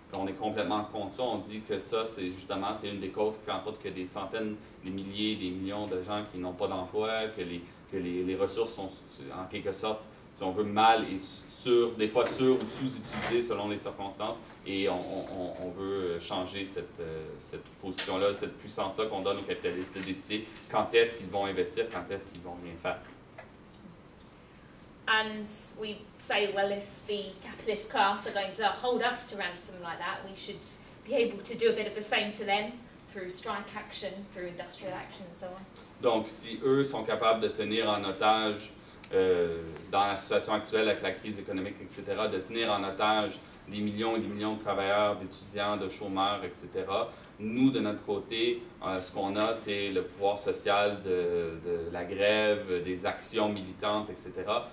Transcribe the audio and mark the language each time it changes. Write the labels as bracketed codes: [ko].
[fr] On est complètement contre ça. On dit que ça, c'est justement, c'est une des causes qui fait en sorte que des centaines, des milliers, des millions de gens qui n'ont pas d'emploi, que les ressources sont en quelque sorte, si on veut, mal et des fois sur ou sous-utilisées selon les circonstances. Et on veut changer cette position-là, cette puissance-là qu'on donne aux capitalistes de décider quand est-ce qu'ils vont investir, quand est-ce qu'ils vont rien faire. [en] And we say, well, if the capitalist class are going to hold us to ransom like that, we should be able to do a bit of the same to them through strike action, through industrial action, and so on. [fr] Donc, si eux sont capables de tenir en otage, dans la situation actuelle avec la crise économique, etc., de tenir en otage des millions de travailleurs, d'étudiants, de chômeurs, etc., nous, de notre côté, ce qu'on a, c'est le pouvoir social de la grève, des actions militantes, etc.